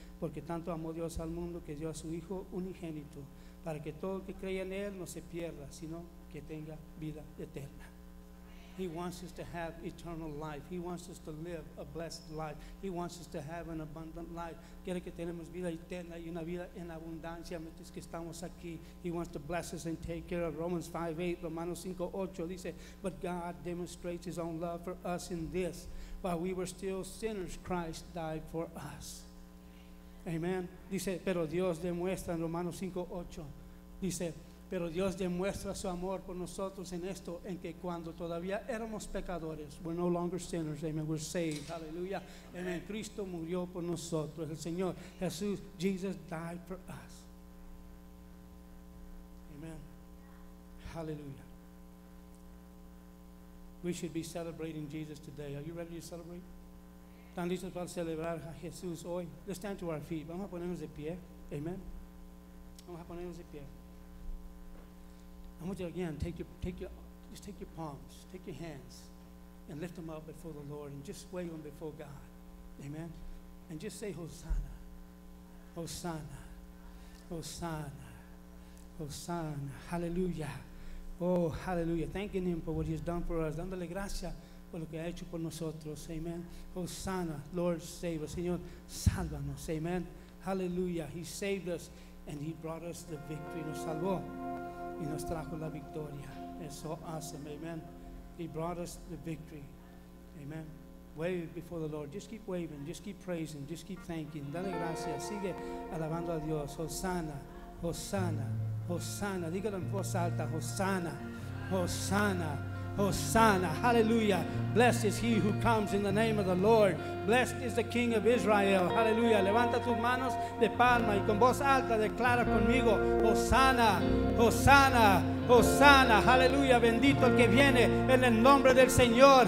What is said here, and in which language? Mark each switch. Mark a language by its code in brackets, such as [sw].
[es] Porque tanto amó Dios al mundo que dio a su Hijo unigénito para que todo el que crea en él no se pierda, sino que tenga vida eterna. [en] He wants us to have eternal life. He wants us to live a blessed life. He wants us to have an abundant life. [es] Quiere que tenemos vida eterna y una vida en abundancia mientras que estamos aquí. [en] He wants to bless us and take care of. Romans 5:8, [es] Romanos 5:8 dice, [en] but God demonstrates his own love for us in this. While we were still sinners, Christ died for us. [es] Amen. Dice, pero Dios demuestra en Romanos 5:8. Dice, Pero Dios demuestra su amor por nosotros en esto, en que cuando todavía éramos pecadores, [en] we're no longer sinners, amen, we're saved, hallelujah. [es] Amen. Cristo murió por nosotros. El Señor, Jesús, [en] Jesus died for us. Amen. Hallelujah. We should be celebrating Jesus today. Are you ready to celebrate? [es] ¿Están listos para celebrar a Jesús hoy? [en] Let's stand to our feet. [es] Vamos a ponernos de pie. [en] Amen. Vamos a ponernos de pie. I want you again, take your palms, take your hands, and lift them up before the Lord, and just wave them before God. Amen. And just say, Hosanna, Hosanna, Hosanna, Hosanna. Hallelujah. Oh, hallelujah. Thanking Him for what He has done for us. [es] Dándole gracias por lo que ha hecho por nosotros. [en] Amen. Hosanna, Lord, save us. [es] Señor, sálvanos. [en] Amen. Hallelujah. He saved us, and He brought us the victory. [es] Nos salvó. Y nos trajo la victoria. [en] It's so awesome. [es] Amen. [en] He brought us the victory. Amen. Wave before the Lord. Just keep waving. Just keep praising. Just keep thanking. [es] Dale gracias. Sigue alabando a Dios. Hosanna. Hosanna. Hosanna. Dígalo en voz alta. Hosanna. Hosanna. Hosanna. Hallelujah. [en] Blessed is he who comes in the name of the Lord. Blessed is the King of Israel. Hallelujah. [es] Levanta tus manos de palma y con voz alta declara conmigo. Hosanna. Hosanna. Hosanna. Hallelujah. Bendito el que viene en el nombre del Señor.